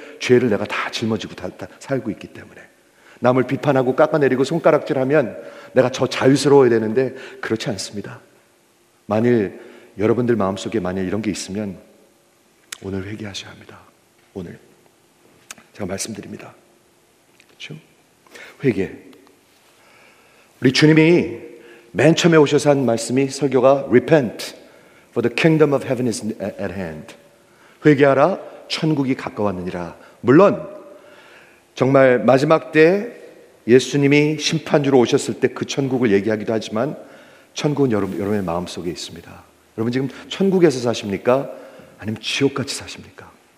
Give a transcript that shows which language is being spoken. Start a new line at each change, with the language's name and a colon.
Korean: 죄를 내가 다 짊어지고 다 살고 있기 때문에. 남을 비판하고 깎아내리고 손가락질하면 내가 저 자유스러워야 되는데 그렇지 않습니다. 만일 여러분들 마음속에 만약 이런 게 있으면 오늘 회개하셔야 합니다. 오늘 제가 말씀드립니다. 그렇죠? 회개. 우리 주님이 맨 처음에 오셔서 한 말씀이 설교가
English: Repent for the kingdom of heaven is at hand.
Korean: 회개하라, 천국이 가까웠느니라. 물론 정말 마지막 때 예수님이 심판주로 오셨을 때 그 천국을 얘기하기도 하지만 천국은 여러분의 마음속에 있습니다. 여러분 지금 천국에서 사십니까? 아니면 지옥같이 사십니까?